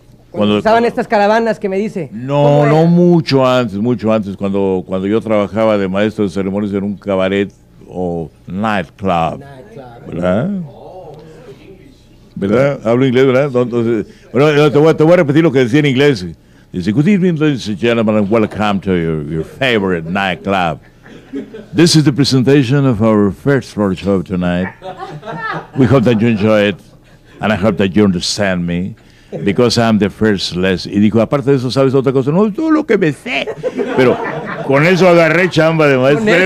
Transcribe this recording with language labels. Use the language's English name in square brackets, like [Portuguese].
[Spanish] Cuando estaban estas caravanas que me dice. No, mucho antes, cuando yo trabajaba de maestro de ceremonias en un cabaret. O nightclub, ¿verdad? Hablo inglés, ¿verdad? Entonces, bueno, te voy a repetir lo que decía en inglés. [English] Dice, good evening, ladies and gentlemen, and welcome to your favorite nightclub. This is the presentation of our first floor show tonight. We hope that you enjoy it, and I hope that you understand me, because I'm the first less. [Spanish] Y dijo, aparte de eso, ¿sabes otra cosa? No, todo lo que me sé. Pero con eso agarré chamba de maestro.